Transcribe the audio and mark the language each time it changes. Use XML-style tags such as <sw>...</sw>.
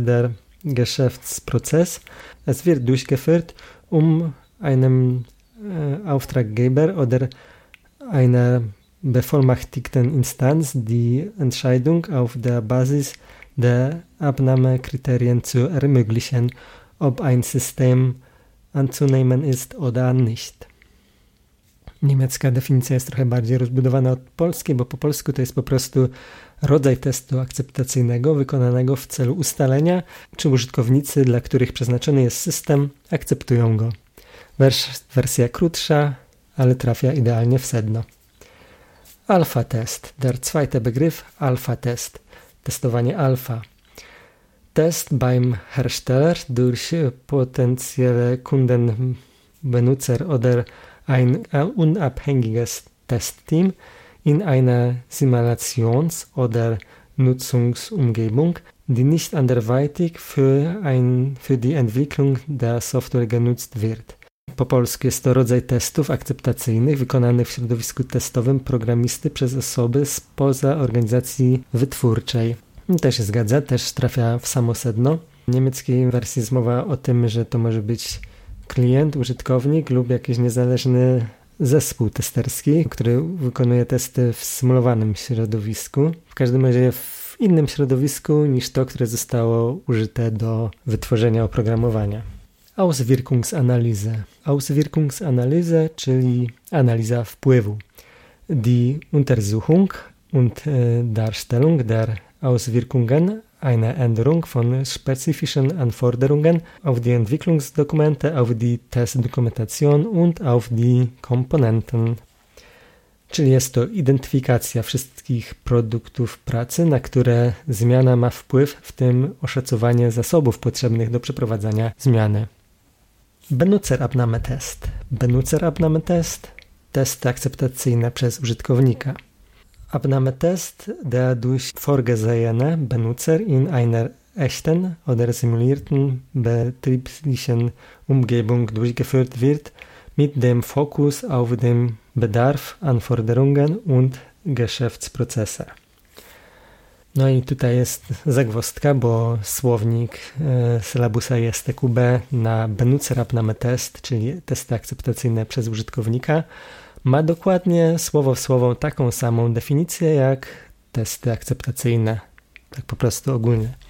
<de>der Geschäftsprozess. Es wird durchgeführt, um einem Auftraggeber oder einer bevollmächtigten Instanz die Entscheidung auf der Basis der Abnahmekriterien zu ermöglichen, ob ein System anzunehmen ist oder nicht.</de> <pl>Niemiecka definicja jest trochę bardziej rozbudowana od polskiej, bo po polsku to jest po prostu rodzaj testu akceptacyjnego wykonanego w celu ustalenia, czy użytkownicy, dla których przeznaczony jest system, akceptują go. Wersja krótsza, ale trafia idealnie w sedno.</pl> <de>Alpha test. Der zweite Begriff, Alpha test.</de> <pl>Testowanie alfa.</pl> <de>Test beim Hersteller durch potenzielle Kunden, Benutzer oder ein unabhängiges Testteam in einer Simulations- oder Nutzungsumgebung, die nicht anderweitig für die Entwicklung der Software genutzt wird.</de> <pl>Po polsku jest to rodzaj testów akceptacyjnych wykonanych w środowisku testowym programisty przez osoby spoza organizacji wytwórczej. To się zgadza, też trafia w samo sedno. W niemieckiej wersji jest mowa o tym, że to może być klient, użytkownik lub jakiś niezależny zespół testerski, który wykonuje testy w symulowanym środowisku. W każdym razie w innym środowisku niż to, które zostało użyte do wytworzenia oprogramowania. Auswirkungsanalyse, czyli analiza wpływu.</pl> <de>Die Untersuchung und Darstellung der Auswirkungen eine Änderung von spezifischen Anforderungen auf die Entwicklungsdokumente, auf die Testdokumentation und auf die Komponenten.</de> <pl>Czyli jest to identyfikacja wszystkich produktów pracy, na które zmiana ma wpływ, w tym oszacowanie zasobów potrzebnych do przeprowadzania zmiany. Benutzerabnahmetest. Benutzerabnahmetest, testy akceptacyjne przez użytkownika.</pl> <de>Abnahmetest, der durch vorgesehene Benutzer in einer echten oder simulierten betrieblichen Umgebung durchgeführt wird, mit dem Fokus auf dem Bedarf, Anforderungen und Geschäftsprozesse.</de> <pl>No i tutaj jest zagwozdka, bo słownik sylabusa STQB na Benutzerabnahmetest, czyli testy akceptacyjne przez użytkownika, ma dokładnie słowo w słowo taką samą definicję jak testy akceptacyjne, tak po prostu ogólnie.</pl>